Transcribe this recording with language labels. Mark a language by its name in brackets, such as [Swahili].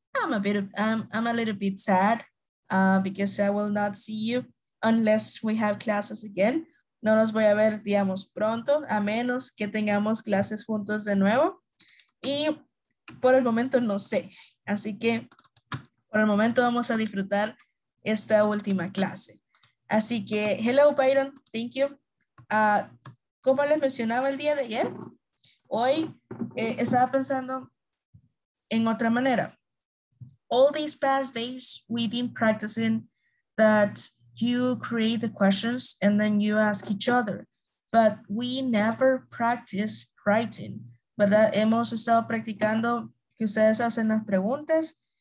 [English] I'm a little bit sad because I will not see you unless we have classes again. [Spanish] No los voy a ver, digamos, pronto, a menos que tengamos clases juntos de nuevo. Y por el momento no sé. Así que por el momento vamos a disfrutar esta última clase. Así que, [English] hello, Byron. Thank you. [Spanish] Como les mencionaba el día de ayer, hoy estaba pensando en otra manera. [English] All these past days, we've been practicing that you create the questions and then you ask each other. But we never practice writing. [Spanish] ¿Verdad? Hemos estado practicando que ustedes hacen las preguntas.